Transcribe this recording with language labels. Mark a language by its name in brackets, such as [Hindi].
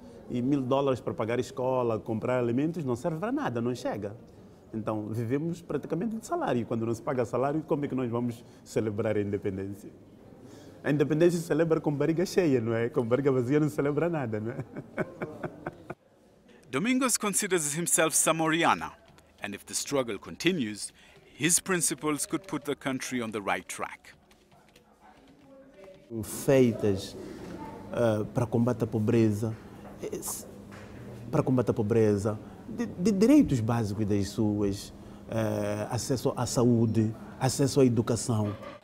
[Portuguese] E $1,000 para pagar escola, comprar alimentos, não serve para nada, não chega. Então, vivemos praticamente de salário. Quando não se paga salário, como é que nós vamos celebrar a independência? A independência se celebra com barriga cheia, não é? Com barriga vazia não se celebra nada, não é? [English] Domingos considers himself Samoriana, and if the struggle continues, his principles could put the country on the right track. [Portuguese] Feitas para combater a pobreza, de direitos básicos das suas, acesso à saúde, acesso à educação.